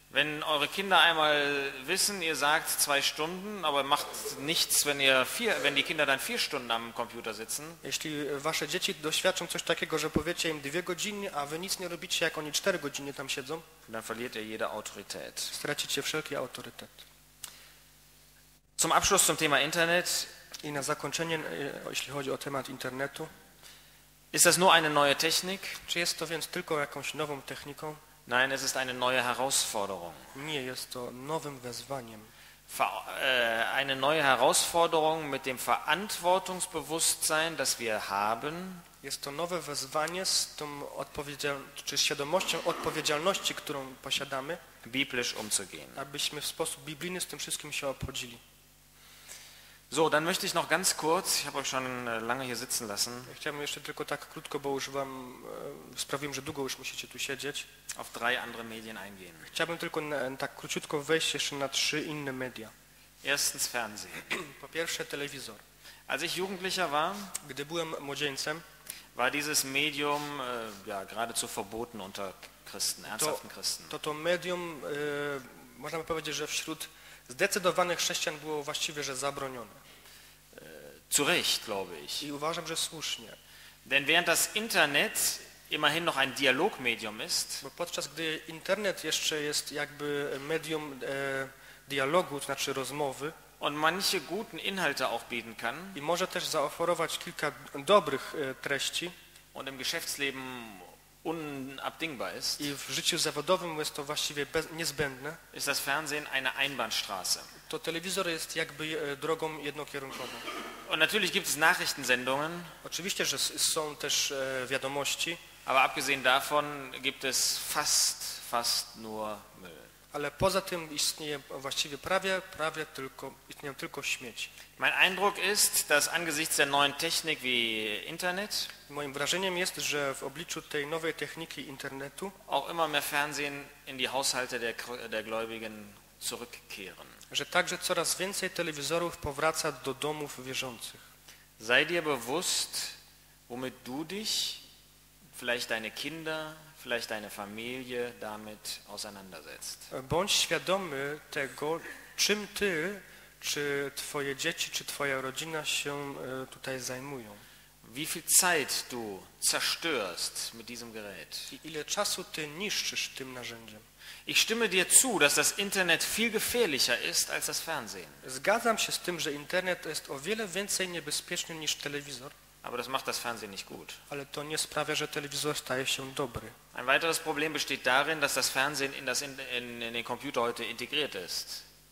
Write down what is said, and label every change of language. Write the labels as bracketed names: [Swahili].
[German] Wenn eure Kinder einmal wissen, ihr sagt 2 Stunden, aber macht nichts, wenn die Kinder dann 4 Stunden am Computer sitzen. [Polish] Jeśli wasze dzieci doświadczą coś takiego, że powiecie im 2 godziny, a wy nic nie robicie, jak oni 4 godziny tam siedzą, [German] dann verliert ihr jede Autorität. [Polish] Stracicie wszelki autorytet. [German] Zum Abschluss zum Thema Internet. [Polish] I na zakończenie, jeśli chodzi o temat internetu. [German] Ist das nur eine neue Technik? [Polish] Czy jest to więc tylko jakąś nową techniką? [German] Nein, es ist eine neue Herausforderung. [Polish] Nie, jest to nowym wezwaniem. [German] Eine neue Herausforderung mit dem Verantwortungsbewusstsein, das wir haben. [Polish] Jest to nowe wezwanie z tą świadomością odpowiedzialności, którą posiadamy. [German] Biblisch umzugehen. [Polish] Abyśmy w sposób biblijny z tym wszystkim się obchodzili. [German] So, dann möchte ich noch ganz kurz, ich habe euch schon lange hier sitzen lassen. [Polish] Chciałbym jeszcze tylko tak krótko, bo już wam sprawiłem, że długo już musicie tu siedzieć. [German] Auf 3 andere Medien eingehen. [Polish] Chciałbym tylko tak króciutko wejść jeszcze na 3 inne media. [German] Erstens Fernsehen. [Polish] Po pierwsze telewizor. [German] Als ich Jugendlicher war, [Polish] gdy byłem młodzieńcem, [German] war dieses Medium ja geradezu verboten unter Christen, ernsthaften Christen. [Polish] To medium można by powiedzieć, że wśród zdecydowanych chrześcijan było właściwie, że zabronione. [German] Zu recht, glaube ich. [Polish] I uważam, że słusznie. [German] Denn während das Internet immerhin noch ein Dialogmedium ist, [Polish] bo podczas gdy Internet jeszcze jest jakby medium dialogu, to znaczy rozmowy, [German] und manche guten Inhalte auch bieten kann, [Polish] i może też zaoferować kilka dobrych treści, [German] und im Geschäftsleben unabdingbar ist, [Polish] i w życiu zawodowym jest to właściwie niezbędne, [German] ist das Fernsehen eine Einbahnstraße. [Polish] To telewizor jest jakby drogą jednokierunkową. [German] Und natürlich gibt es Nachrichtensendungen, [Polish] oczywiście, że są też wiadomości, [German] aber abgesehen davon gibt es fast nur Müll. [Polish] Ale poza tym istnieje właściwie prawie tylko, istnieją tylko śmieci. [German] Mein Eindruck ist, dass angesichts der neuen Technik wie Internet, [Polish] moim wrażeniem jest, że w obliczu tej nowej techniki internetu, [German] auch immer mehr Fernsehen in die Haushalte der Gläubigen zurückkehren. [Polish] Że także coraz więcej telewizorów powraca do domów wierzących. [German] Sei dir bewusst, womit du dich, vielleicht deine Kinder, vielleicht deine Familie damit auseinandersetzt. [Polish] Bądź świadomy tego, czym ty, czy twoje dzieci, czy twoja rodzina się tutaj zajmują. [German] Wie viel Zeit du zerstörst mit diesem Gerät. [Polish] I ile czasu ty niszczysz tym narzędziem. [German] Ich stimme dir zu, dass das Internet viel gefährlicher ist als das Fernsehen. [Polish] Zgadzam się z tym, że Internet jest o wiele więcej niebezpieczny niż telewizor. [German] Aber das macht das Fernsehen nicht gut. [Polish] Ale to nie sprawia, że telewizor staje się dobry. [German] Ein weiteres Problem besteht darin, dass das Fernsehen in den Computer heute integriert ist.